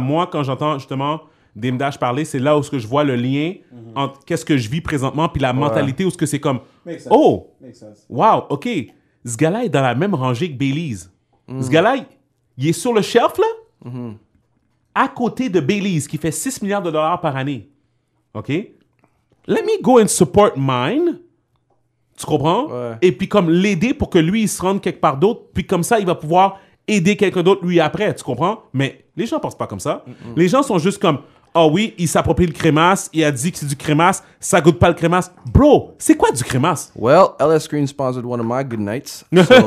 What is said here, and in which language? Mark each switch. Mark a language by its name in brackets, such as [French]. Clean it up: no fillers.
[French] Moi, quand j'entends justement... Dame Dash parler, c'est là où ce que je vois le lien entre qu'est-ce que je vis présentement puis la mentalité où ce que c'est comme [English] Makes sense. [French] Wow, ok, ce gars-là est dans la même rangée que Baileys. Ce gars-là, il est sur le shelf là, à côté de Baileys qui fait 6 milliards de dollars par année. [English] Ok, let me go and support mine, [French] tu comprends? Ouais. Et puis comme l'aider pour que lui il se rende quelque part d'autre, puis comme ça il va pouvoir aider quelqu'un d'autre lui après, tu comprends? Mais les gens pensent pas comme ça. Mm-hmm. Les gens sont juste comme ah oui, il s'approprie le crémasse, il a dit que c'est du crémasse, ça goûte pas le crémasse. Bro, c'est quoi du crémasse? [English] Well, LS Green sponsored one of my good nights. So,